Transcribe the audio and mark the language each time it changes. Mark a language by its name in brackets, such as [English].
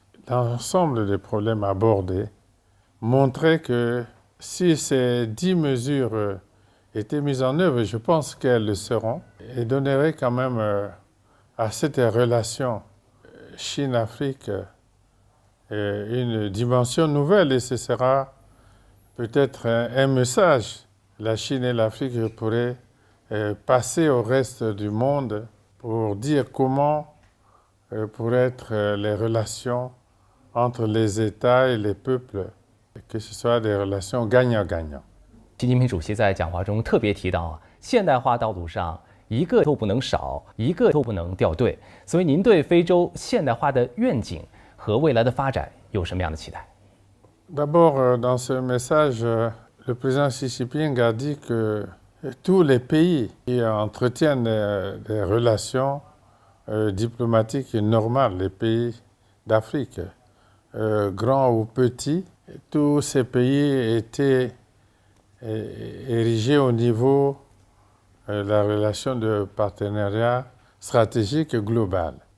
[French] L'ensemble des problèmes abordés montrait que si ces 10 mesures étaient mises en œuvre, je pense qu'elles le seront, et donneraient quand même à cette relation Chine-Afrique une dimension nouvelle, et ce sera peut-être un message. La Chine et l'Afrique pourraient passer au reste du monde pour dire comment pourraient être les relations entre les États et les peuples, que ce soit des relations gagnant-gagnant. [Chinese] 习近平主席在讲话中特别提到，现代化道路上一个都不能少，一个都不能掉队。所以您对非洲现代化的愿景和未来的发展有什么样的期待？ [French] D'abord, dans ce message, le président Xi Jinping a dit que tous les pays qui entretiennent des relations diplomatiques normales, les pays d'Afrique, grands ou petits, tous ces pays étaient érigé au niveau de la relation de partenariat stratégique global.